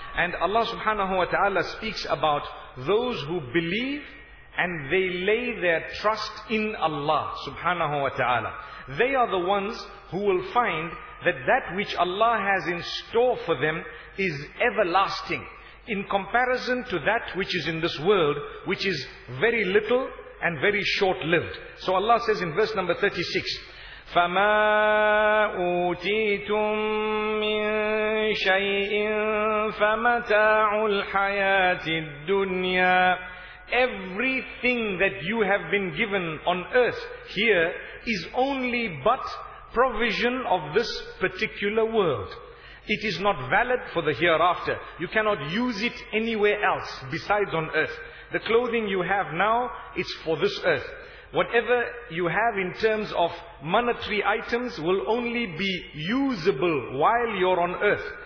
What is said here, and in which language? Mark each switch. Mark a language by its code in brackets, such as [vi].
[en] And Allah subhanahu wa ta'ala speaks about those who believe and they lay their trust in Allah subhanahu wa ta'ala. They are the ones who will find that which Allah has in store for them is everlasting, in comparison to that which is in this world, which is very little and very short-lived. So Allah says in verse number 36, [ar] فَمَا أُوتِيتُم مِّن شَيْءٍ فَمَتَاعُ الْحَيَاةِ الدُّنْيَا. [en] Everything that you have been given on earth here is only but provision of this particular world. It is not valid for the hereafter. You cannot use it anywhere else besides on earth. The clothing you have now, it's for this earth. Whatever you have in terms of monetary items will only be usable while you're on earth.